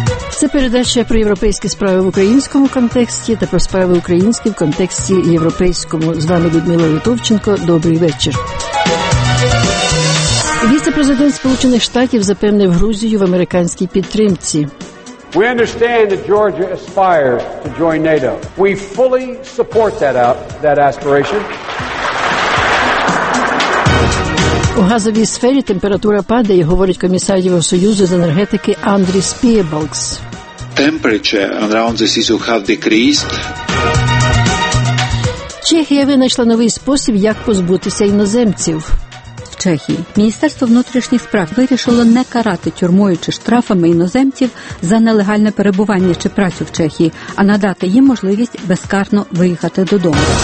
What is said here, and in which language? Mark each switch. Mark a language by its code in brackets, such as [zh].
[uk] Це передача про європейські справи в українському контексті та про справи українські в контексті європейському. З вами Людмила Литовченко. Добрий вечір. Віце-президент Сполучених Штатів запевнив Грузію в американській підтримці. [en] We understand that Georgia aspires to join NATO. We fully support that aspiration. [uk] У газовій сфері температура падає, говорить комісар Євросоюзу з енергетики Андрі Спіеблкс. [en] Temperature around this issue have decreased. [uk] Чехія винайшла новий спосіб, як позбутися іноземців. Чехії. Міністерство внутрішніх справ вирішило не карати тюрмою чи штрафами іноземців за нелегальне перебування чи працю в Чехії, а надати їм можливість безкарно виїхати додому.